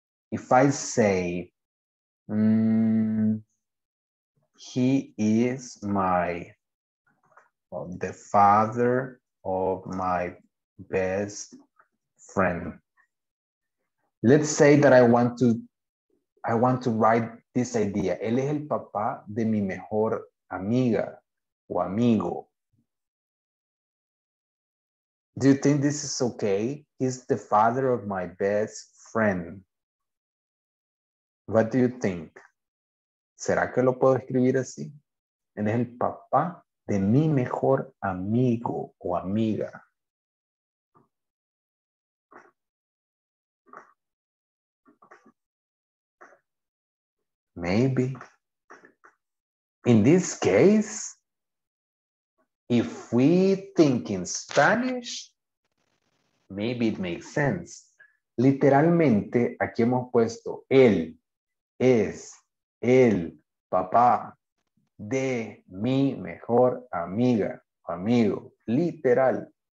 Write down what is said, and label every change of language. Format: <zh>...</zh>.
<en>If I say, he is the father of my best friend. Let's say that I want to write this idea.</en> <es>Él es el papá de mi mejor amiga o amigo.</es> <en>Do you think this is okay? He's the father of my best friend. What do you think?</en> <es>¿Será que lo puedo escribir así? Él es el papá de mi mejor amigo o amiga.</es> <en>Maybe. In this case, if we think in Spanish, maybe it makes sense.</en> <es>Literalmente, aquí hemos puesto, él es el papá de mi mejor amiga, amigo, literal.</es>